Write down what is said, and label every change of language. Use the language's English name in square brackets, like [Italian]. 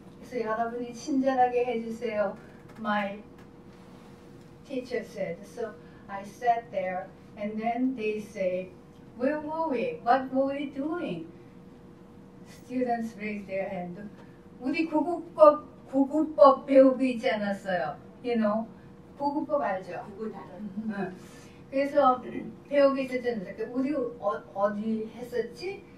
[Korean] 그래서 여러분이 친절하게 해주세요. [English] My teacher said. So I sat there, and then they say, where were we? What were we doing? Students raised their hand. [Korean] 우리 구구법 배우고 있지 않았어요. [English] You know, [Korean] 구구법 알죠? 구구단어. 그래서 배우기 시작했는데 우리 어디 했었지?